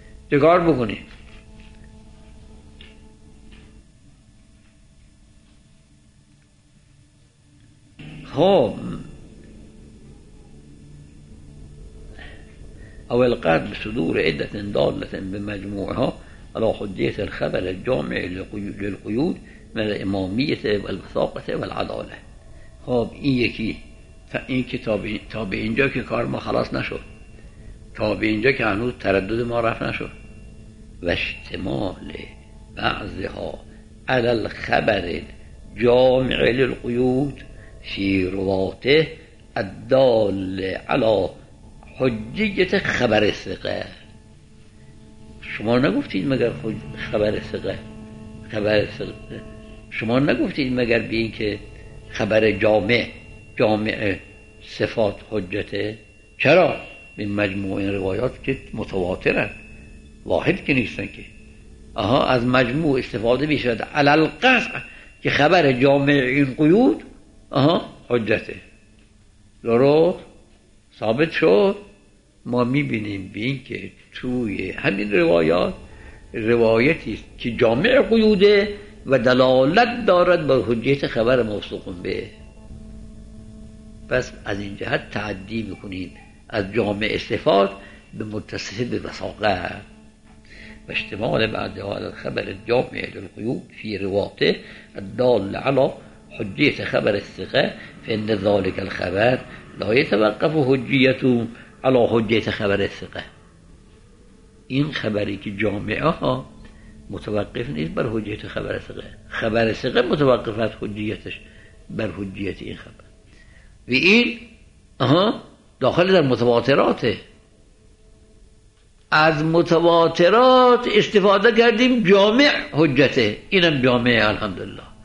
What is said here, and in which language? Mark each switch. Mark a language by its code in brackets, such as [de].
[fa] چه کار بکنیم؟ خب اول [ar] قد صدور عده داله بمجموعها على حجيه الخبر الجامع للقيود من الاماميه والوثاقه والعداله. [fa] خب این یکی تا این کتاب، تا به اینجا که کار ما خلاص نشد، تا به اینجا که هنوز تردد ما رفع نشد. [ar] و احتمال بعضها على الخبر الجامع للقيود في رواته الدال على حجیت خبر ثقه. [fa] شما نگفتید مگر خبر ثقه، خبر ثقه شما نگفتید مگر به این که خبر جامع، جامع صفات حجته؟ چرا؟ این مجموع این روایات که متواترن، واحد که نیستن که. آها، از مجموع استفاده میشود علل قطع که خبر جامع این قیود حجته. درست ثابت شد. ما میبینیم بین که توی همین روایات روایتی است که جامع قیوده و دلالت دارد بر حجیت خبر موثوق به. پس از این جهت تعدی میکنیم از جامع استفاد به متصف به وثاقه. [ar] و احتمال بعد خبر جامع القیود فی رواته الدال علی حجیت خبر الثقه فإن ذلك الخبر لا يتوقف حجیته علی حجیت خبر الثقه. [fa] این خبری که جامعه ها متوقف نیست بر حجیت خبر الثقه، خبر الثقه متوقف از حجیتش بر حجیت این خبر. و این داخل در متواتراته. از متواترات استفاده کردیم جامع حجته، اینم جامعه الحمدلله.